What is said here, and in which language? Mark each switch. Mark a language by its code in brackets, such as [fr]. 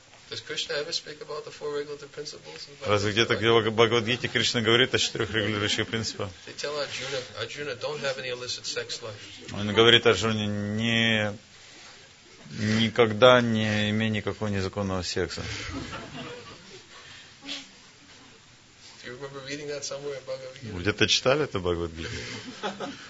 [en] Does Krishna ever speak about the four regulative principles? [ru] Разве где-то в Бхагавад-гите Кришна говорит о четырех регулирующих принципах? [en] They tell Arjuna, don't have any illicit sex life. [ru] Он говорит Арджуне, никогда не имей никакого незаконного секса. [en] Do you remember reading that somewhere in Bhagavad-gita? [ru] Где-то читали это в Бхагавад-гите?